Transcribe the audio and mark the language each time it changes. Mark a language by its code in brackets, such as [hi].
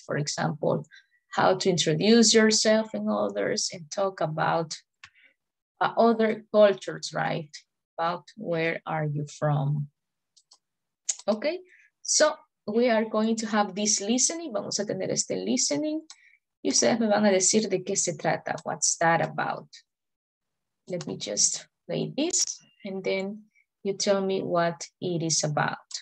[en] For example, how to introduce yourself and others and talk about other cultures, right? About where are you from? Okay, so we are going to have this listening. [es] Vamos a tener este listening. Y ustedes me van a decir de qué se trata. [en] What's that about? Let me just play this. And then you tell me what it is about.